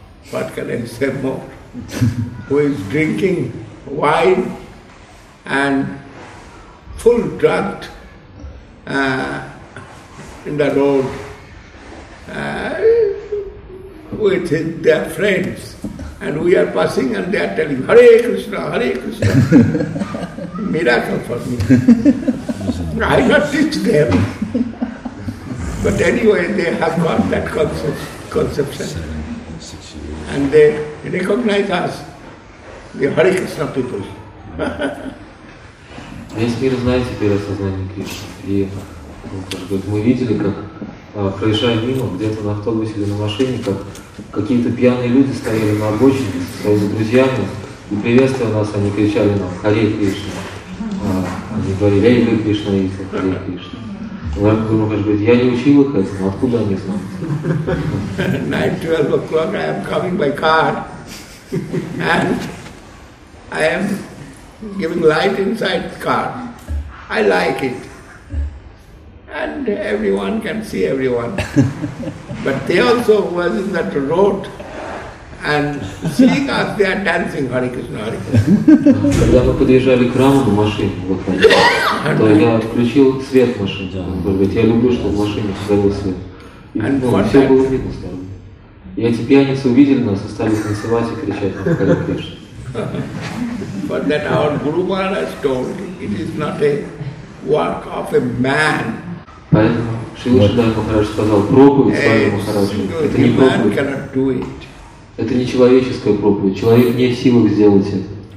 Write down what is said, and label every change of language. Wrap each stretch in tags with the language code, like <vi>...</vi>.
<en>What can I say more? Who is drinking wine and full drunk in the road with his, their friends, and we are passing and they are telling Hare Krishna, Hare Krishna. Miracle for me. I not teach them. But anyway, they have got that conception. And they recognize us, the Hare Krishna people.</en> <ru>Весь мир знает теперь о сознании Кришны. И мы видели, как, проезжая мимо, где-то на автобусе или на машине, как какие-то пьяные люди стояли на обочине со своими друзьями, и приветствуя нас, они кричали нам «Харе Кришна!». Они говорили «Эй, Харе Кришна!» и «Харе Кришна!». Я не учил их этому, откуда они знают?</ru> <en>9-12 o'clock, I am coming by car. And I am giving light inside the car. I like it. And everyone can see everyone. But they also was in that road. And seeing us, they are dancing Hare Krishna, Hare Krishna.</en> <ru>Когда мы подъезжали к храму на машине, вот они, то я отключил свет в машине. Он говорит, я люблю, чтобы в машине горел свет. И все было видно с тобой. И эти пьяницы увидели нас и стали танцевать и кричать нам Hare Krishna.</ru> <en>But that our Guru Maharaj told, it is not a work of a man.</en> <ru>Поэтому Шри Шридхар Махарадж сказал, проповедь с вами, Махараджи, это не проповедь. Это не человеческая проповедь. Человек не в силах сделать это.</ru>